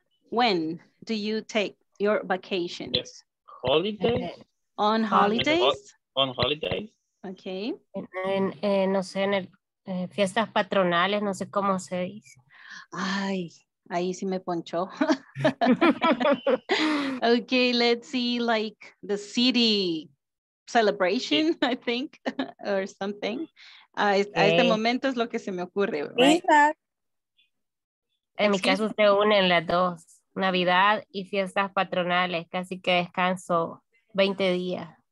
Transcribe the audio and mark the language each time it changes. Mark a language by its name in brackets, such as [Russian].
[English] When do you take your vacations? Yes. Holidays? On holidays? On holidays. Okay. [Spanish] En, no sé, en el, fiestas patronales, no sé cómo se dice. Ay. Ahí sí me poncho. [English] Okay, let's see, like the city celebration, I think, or something. [Spanish] Okay. A este momento es lo que se me ocurre, ¿verdad? [English] Right? [Spanish] En mi caso se unen las dos, Navidad y fiestas patronales, casi que descanso 20 días.